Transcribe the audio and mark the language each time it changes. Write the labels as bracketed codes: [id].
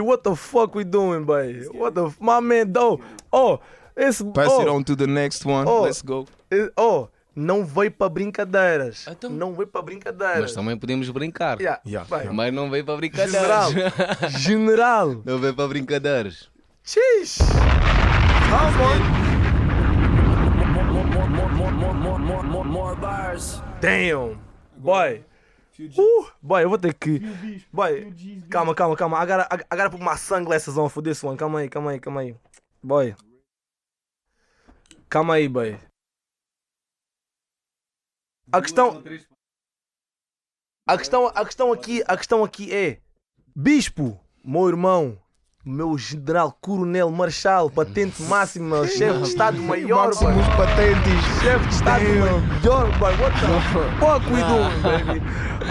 [en] What the fuck we doing, baby? What the... My man, though. Oh, it's... Pass it on to the next one. Oh, let's go. [pt] Oh, não vai para brincadeiras. Então, não vai para brincadeiras. Mas também podemos brincar. [en] Yeah, yeah, [pt] vai. Mas não vai para brincadeiras. General. General. Não vai para brincadeiras. Tchish. [en] Come on. [pt] Damn, boy. Boy, eu vou ter que... Boy, calma, calma, calma. [en] I gotta put my sunglasses on for this one. [pt] Calma aí, calma aí, calma aí. Boy. Calma aí, boy. A questão aqui é... Bispo, meu irmão, meu general, coronel, marshal, patente máxima, chefe de estado maior, mano. Patentes. Chefe de estado maior, mano. [en] What the fuck we doing, baby?